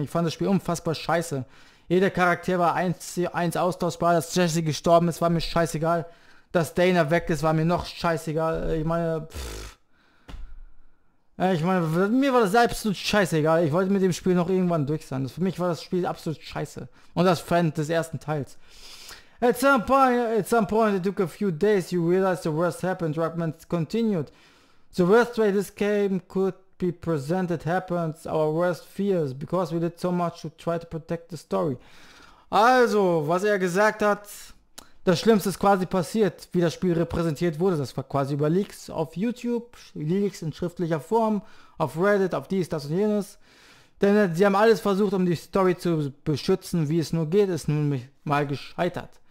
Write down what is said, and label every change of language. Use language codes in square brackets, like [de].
[de] Ich fand das Spiel unfassbar scheiße. Jeder Charakter war eins austauschbar. Dass Jesse gestorben ist, war mir scheißegal. Dass Dana weg ist, war mir noch scheißegal. Ich meine, pff. Ich meine, mir war das absolut scheißegal. Ich wollte mit dem Spiel noch irgendwann durch sein. Für mich war das Spiel absolut scheiße. Und das Fan des ersten Teils. [en] At some point, it took a few days, you realize the worst happened, Druckmann continued. The worst way this game could be presented happens, our worst fears, because we did so much to try to protect the story. [de] Also, was er gesagt hat, das Schlimmste ist quasi passiert, wie das Spiel repräsentiert wurde. Das war quasi über Leaks auf YouTube, Leaks in schriftlicher Form, auf Reddit, auf dies, das und jenes. Denn sie haben alles versucht, um die Story zu beschützen, wie es nur geht, ist nun mal gescheitert.